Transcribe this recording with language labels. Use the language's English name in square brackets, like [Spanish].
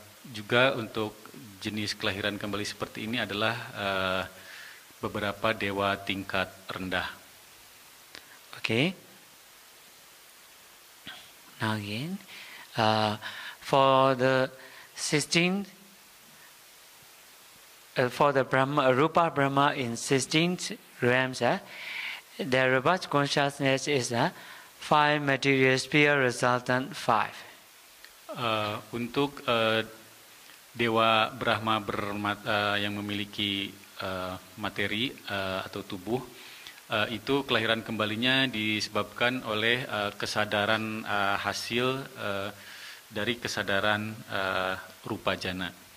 [Indonesian] Juga untuk jenis kelahiran kembali seperti ini adalah beberapa dewa tingkat rendah. Okay. [English] Now again, for the 16th, for the Brahma, Rupa Brahma in 16th realms, the robust consciousness is five material sphere resultant five. [Indonesian] Untuk dewa Brahma yang memiliki materi atau tubuh, itu kelahiran kembalinya disebabkan oleh kesadaran hasil dari kesadaran rupa jana.